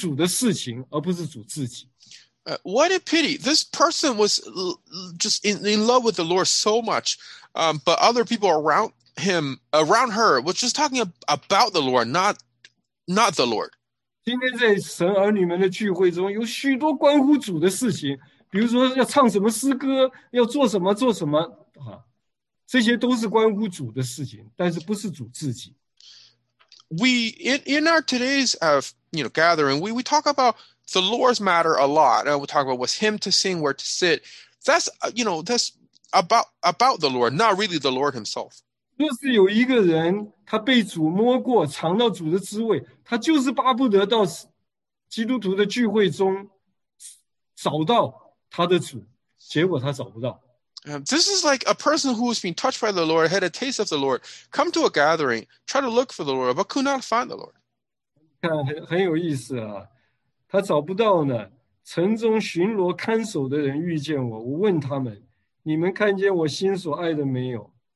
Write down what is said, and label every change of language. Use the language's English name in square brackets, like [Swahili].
[Chinese] 大家谈的都是关乎主的事情，而不是主自己。 [English] What a pity! This person was just in love with the Lord so much, but other people around her was just talking about the Lord, not not the Lord. [Chinese] 今天在神儿女们的聚会中，有许多关乎主的事情，比如说要唱什么诗歌，要做什么做什么啊，这些都是关乎主的事情，但是不是主自己。 [English] We in our today's gathering, we talk about the Lord's matter a lot. We talk about what's hymn to sing, where to sit. That's that's about the Lord, not really the Lord himself. [Chinese] 若是有一个人他被主摸过，尝到主的滋味，他就是巴不得到基督徒的聚会中找到他的主，结果他找不到。 [English] This is like a person who has been touched by the Lord, had a taste of the Lord, come to a gathering, try to look for the Lord, but could not find the Lord. [Chinese] 很有意思啊，他找不到呢。城中巡逻看守的人遇见我，我问他们，你们看见我心所爱的没有？